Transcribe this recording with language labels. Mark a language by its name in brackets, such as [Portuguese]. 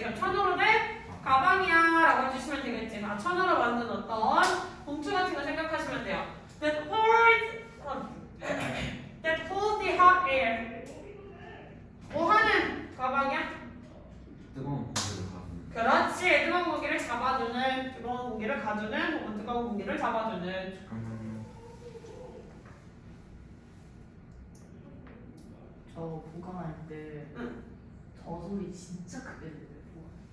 [Korean] 그럼 천으로 된 가방이야 라고 해주시면 되겠지. 아, 천으로 만든 어떤 봉투 같은 거 생각하시면 돼요. [English] That holds, that holds the hot air. [Korean] 뭐 하는 가방이야? 뜨거운 공기를 가두는. 그렇지, 뜨거운 공기를 잡아주는, 뜨거운 공기를 가두는, 혹은 뜨거운 공기를 잡아주는. 저 보강할 때 저 소리 진짜 크게 들려요.